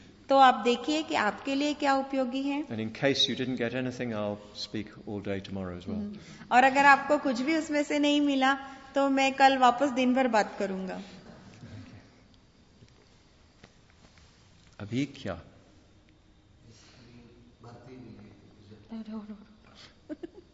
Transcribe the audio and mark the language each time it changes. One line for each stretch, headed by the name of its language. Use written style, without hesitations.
Hindi: तो आप देखिए कि आपके लिए क्या उपयोगी है.
English: And in case you didn't get anything, I'll speak all day tomorrow as well.
Hindi: और अगर आपको कुछ भी उसमें से नहीं मिला तो मैं कल वापस दिन भर बात करूंगा. अभी क्या